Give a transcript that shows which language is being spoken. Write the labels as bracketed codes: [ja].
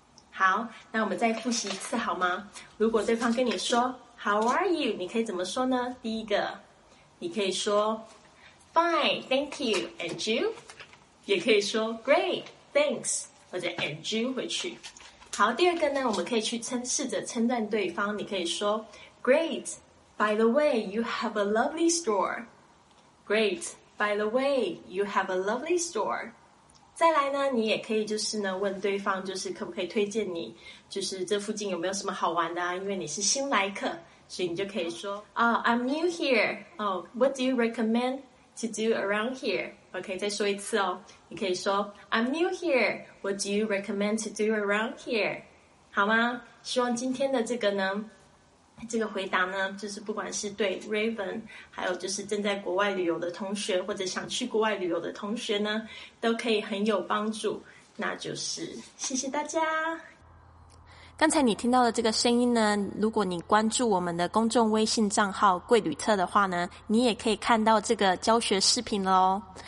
[zh] 好，那我们再复习一次好吗？如果对方跟你说 [en] How are you? [zh] 你可以怎么说呢？第一个你可以说 [en] Fine, thank you, and you? [zh] 也可以说 [en] Great, thanks, [zh] 或者 [en] and you [zh] 回去。好，第二个呢，我们可以去试着称赞对方，你可以说 [en] Great, by the way, you have a lovely store. [zh] Great, by the way, you have a lovely store. 再来呢，你也可以就是呢问对方，就是可不可以推荐你，就是这附近有没有什么好玩的啊？因为你是新来客，所以你就可以说啊、 [en] I'm new here. Oh, what do you recommend to do around here? [zh] OK, 再说一次哦，你可以说 [en] I'm new here. What do you recommend to do around here? [zh] 好吗？希望今天的这个呢，这个回答呢，就是不管是对 Raven 还有就是正在国外旅游的同学，或者想去国外旅游的同学呢，都可以很有帮助。那就是谢谢大家。刚才你听到的这个声音呢，如果你关注我们的公众微信账号贵旅特的话呢，你也可以看到这个教学视频咯。